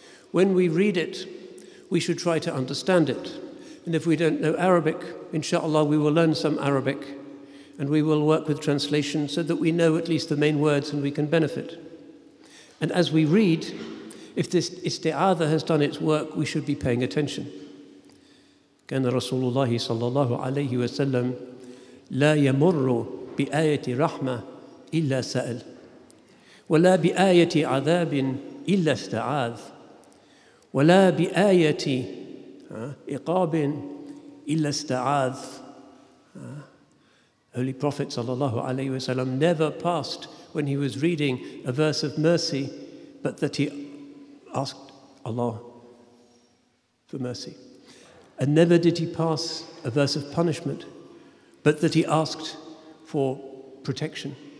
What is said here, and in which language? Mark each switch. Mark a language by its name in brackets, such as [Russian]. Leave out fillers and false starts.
[English] When we read it, we should try to understand it. And if we don't know Arabic, inshallah, we will learn some Arabic, and we will work with translation so that we know at least the main words and we can benefit. And as we read, if this isti'adha has done its work, we should be paying attention. [Arabic] كان رسول الله صلى الله عليه وسلم لا يمر بآية رحمة إلا سأل ولا بآية عذاب إلا استعاذ ولا بآية عقاب إلا استعاذ. [English] Holy Prophet صلى الله عليه وسلم never passed when he was reading a verse of mercy but that he asked Allah for mercy. And never did he pass a verse of punishment, but that he asked for protection.